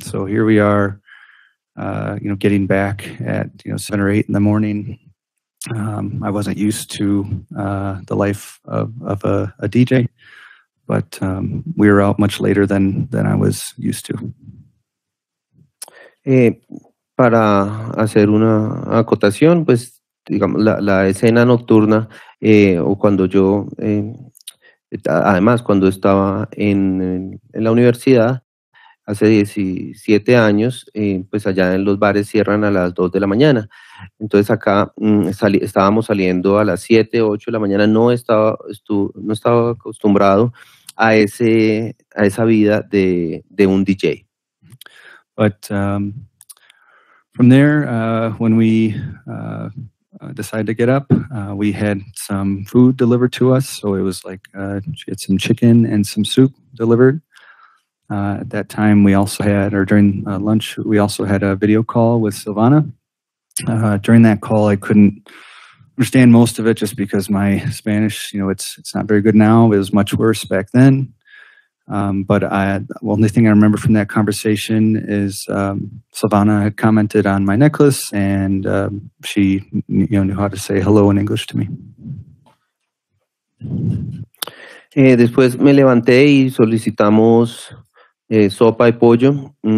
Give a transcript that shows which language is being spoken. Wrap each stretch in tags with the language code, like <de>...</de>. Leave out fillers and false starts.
<en>So here we are, you know, getting back at, you know, 7 or 8 in the morning. I wasn't used to the life of a DJ. But we were out much later than I was used to.</en> <es>Para hacer una acotación, pues, digamos, la escena nocturna, o cuando yo, además, cuando estaba en la universidad, hace 17 años, pues allá en los bares cierran a las 2 de la mañana. Entonces acá estábamos saliendo a las 7, 8 de la mañana, no estaba acostumbrado a esa vida de un DJ.</es> <en>But from there, when we decided to get up, we had some food delivered to us. So it was like she had some chicken and some soup delivered. At that time, we also had, or during lunch, we also had a video call with Silvana. During that call, I couldn't understand most of it just because my Spanish, you know, it's not very good now. It was much worse back then. But the only thing I remember from that conversation is Silvana had commented on my necklace and she, you know, knew how to say hello in English to me.</en> <es>Después me levanté y solicitamos sopa y pollo.</es>